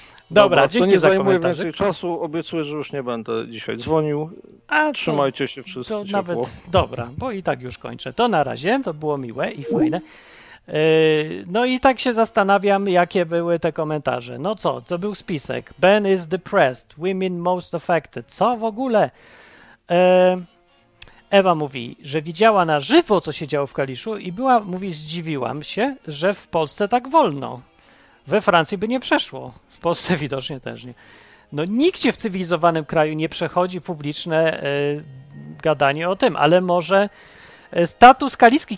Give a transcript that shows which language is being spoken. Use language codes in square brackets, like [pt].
[pl] Dobra, dzięki za komentarz. To nie zajmuje więcej czasu. Obiecuję, że już nie będę dzisiaj dzwonił. A trzymajcie się wszyscy ciepło. Nawet, dobra, bo i tak już kończę. To na razie, to było miłe i fajne. No i tak się zastanawiam, jakie były te komentarze. No co, to był spisek. [en] Ben is depressed, women most affected. [pl] Co w ogóle? Ewa mówi, że widziała na żywo, co się działo w Kaliszu i była, mówi, zdziwiłam się, że w Polsce tak wolno. We Francji by nie przeszło. W Polsce widocznie też nie. No nigdzie w cywilizowanym kraju nie przechodzi publiczne gadanie o tym, ale może status kaliski.